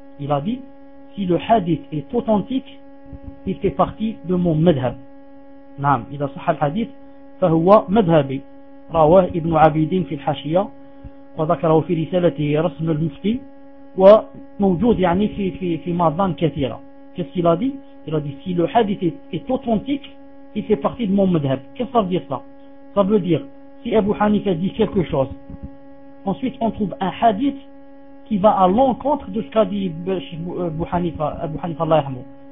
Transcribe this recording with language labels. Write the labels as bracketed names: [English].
[French] Il a dit si le hadith est authentique, il fait partie de mon madhhab. [Arabic] نعم. إذا صح الحديث فهو مذهبي. رواه ابن عبيدين في الحاشية. وذكره في رسالته رسم المفتي وموجود يعني في في في مضان كثيرة. [French] Qu'est-ce qu'il a dit? Il a dit si le hadith est authentique, il fait partie de mon madhhab. Qu'est-ce que ça veut dire ça? Ça veut dire si Abu Hanifa dit quelque chose, ensuite on trouve un hadith qui va à l'encontre de ce qu'a dit Abu Hanifa, Abu Hanifa [Arabic] Allah yarhamo.